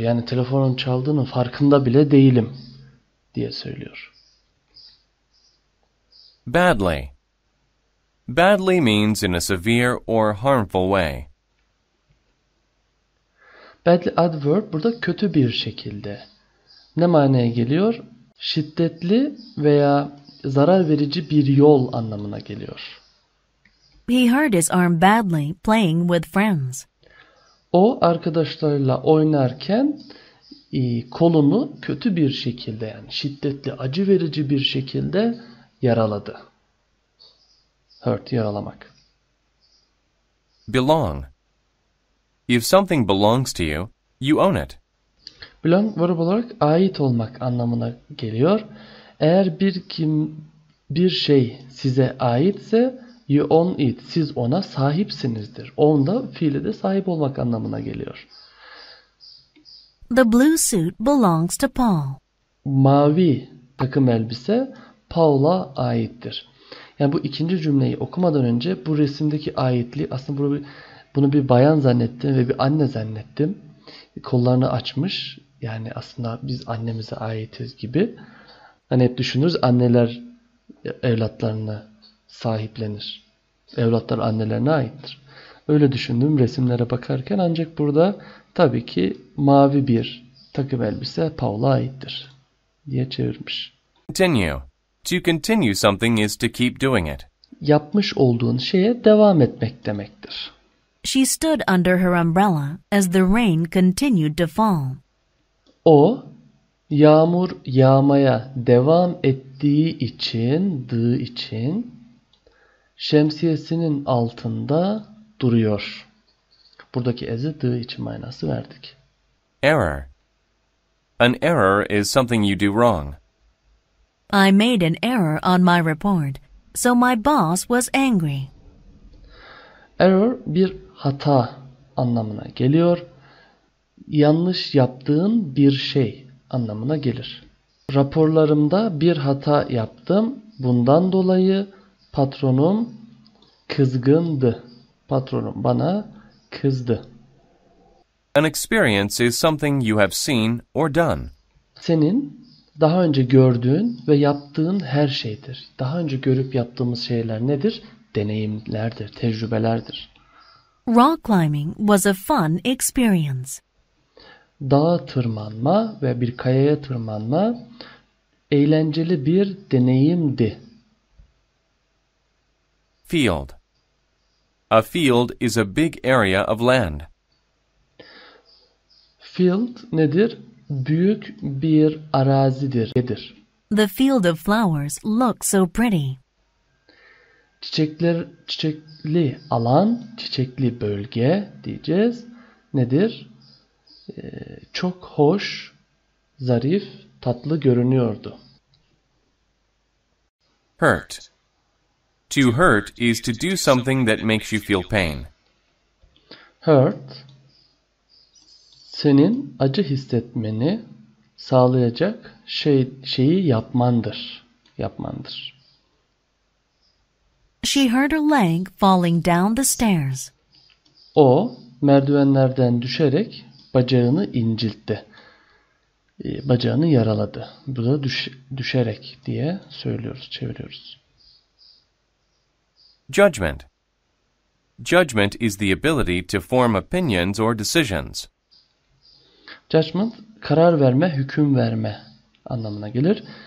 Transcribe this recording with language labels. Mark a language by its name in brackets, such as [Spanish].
[Turkish] Yani telefonun çaldığının farkında bile değilim diye söylüyor. [English] Badly. Badly means in a severe or harmful way. [Turkish] Badly adverb burada kötü bir şekilde. Ne manaya geliyor? Şiddetli veya zarar verici bir yol anlamına geliyor. [English] He hurt his arm badly playing with friends. [Turkish] O arkadaşlarıyla oynarken kolunu kötü bir şekilde, yani şiddetli, acı verici bir şekilde yaraladı. Hurt, yaralamak. [English] Belong. If something belongs to you, you own it. [Turkish] Belong, verb olarak ait olmak anlamına geliyor. Eğer bir şey size aitse, [English] you own it. [Turkish] Siz ona sahipsinizdir. Own da fiili de sahip olmak anlamına geliyor. [English] The blue suit belongs to Paul. [Turkish] Mavi takım elbise Paul'a aittir. Yani bu ikinci cümleyi okumadan önce bu resimdeki aitliği, aslında bunu bir bayan zannettim ve bir anne zannettim. Kollarını açmış. Yani aslında biz annemize aitiz gibi. Hani hep düşünürüz, anneler evlatlarını sahiplenir. Evlatlar annelerine aittir. Öyle düşündüm resimlere bakarken, ancak burada tabii ki mavi bir takım elbise Paul'a aittir diye çevirmiş. [English] Continue. To continue something is to keep doing it. [Turkish] Yapmış olduğun şeye devam etmek demektir. [English] She stood under her umbrella as the rain continued to fall. [Turkish] O, yağmur yağmaya devam ettiği için, şemsiyesinin altında duruyor. Buradaki ezi dı için manası verdik. [English] Error. An error is something you do wrong. I made an error on my report, so my boss was angry. [Turkish] Error, bir hata anlamına geliyor. Yanlış yaptığın bir şey anlamına gelir. Raporlarımda bir hata yaptım. Bundan dolayı patronum kızgındı. Patronum bana kızdı. [English] An experience is something you have seen or done. [Turkish] Senin daha önce gördüğün ve yaptığın her şeydir. Daha önce görüp yaptığımız şeyler nedir? Deneyimlerdir, tecrübelerdir. [English] Rock climbing was a fun experience. [Turkish] Dağa tırmanma ve bir kayaya tırmanma eğlenceli bir deneyimdi. [English] Field. A field is a big area of land. [Turkish] Field nedir? Büyük bir arazidir. Nedir? [English] The field of flowers looks so pretty. [Turkish] Çiçekli alan, çiçekli bölge diyeceğiz. Nedir? Çok hoş, zarif, tatlı görünüyordu. [English] Hurt. To hurt is to do something that makes you feel pain. [Turkish] Hurt, senin acı hissetmeni sağlayacak şeyi yapmandır. Yapmandır. [English] She hurt her leg falling down the stairs. [Turkish] O, merdivenlerden düşerek bacağını inciltti. Bacağını yaraladı. Burada düşerek diye söylüyoruz, çeviriyoruz. [English] Judgment. Judgment is the ability to form opinions or decisions. [Turkish] Judgment, karar verme, hüküm verme anlamına gelir.